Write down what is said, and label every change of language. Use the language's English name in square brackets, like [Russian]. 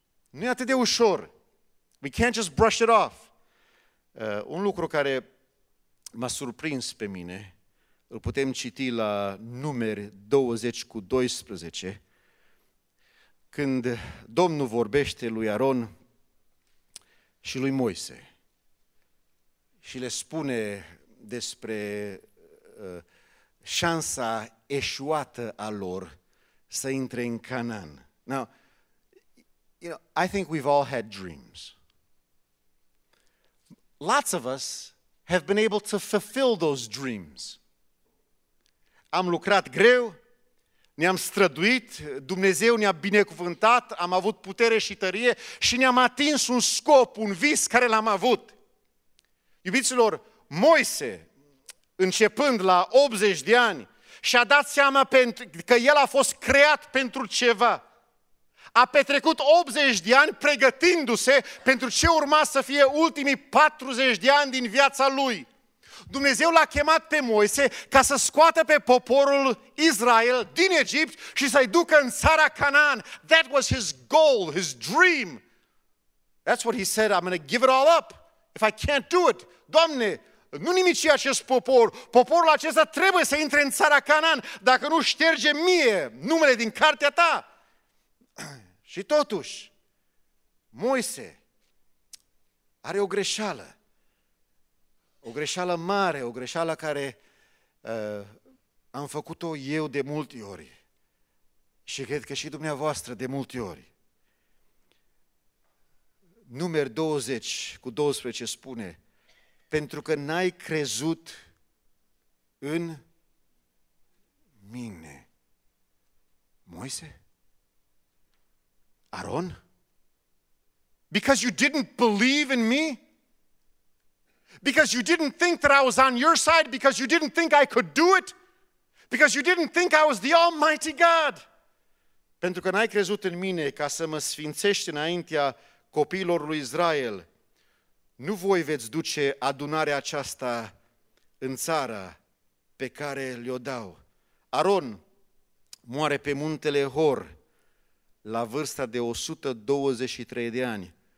[Romanian] Nu e atât de ușor. [English] We can't just brush it off. [Romanian] Un lucru care m-a surprins pe mine, îl putem citi la Numeri 20:12, când Domnul vorbește lui Aron și lui Moise și le spune despre șansa eșuată a lor să intre în Canaan. [English] Now, you know, I think we've all had dreams. Lots of us have been able to fulfill those dreams. [Romanian] Am lucrat greu. Ne-am străduit, Dumnezeu ne-a binecuvântat, am avut putere și tărie și ne-am atins un scop, un vis care l-am avut. Iubiților, Moise, începând la 80 de ani, și-a dat seama că el a fost creat pentru ceva. A petrecut 80 de ani pregătindu-se pentru ce urma să fie ultimii 40 de ani din viața lui. Dumnezeu l-a chemat pe Moise ca să scoată pe poporul Israel din Egipt și să-i ducă în țara Canaan. [English] That was his goal, his dream. That's what he said, I'm going to give it all up if I can't do it. [Romanian] Doamne, nu nimici acest popor. Poporul acesta trebuie să intre în țara Canaan dacă nu șterge mie numele din cartea ta. Și totuși, Moise are o greșeală. O greșeală mare, o greșeală care am făcut-o eu de multe ori și cred că și dumneavoastră de multe ori. Numeri 20:12 spune, pentru că n-ai crezut în mine. Moise? Aron? [English] Because you didn't believe in me? Because you didn't think that I was on your side, because you didn't think I could do it, because you didn't think I was the Almighty God. [Romanian] Pentru că n-ai crezut în mine ca să mă sfințești înaintea copiilor lui Israel, nu voi veți duce adunarea aceasta în țara pe care le-o dau. Aron moare pe muntele Hor la vârsta de 123 de ani,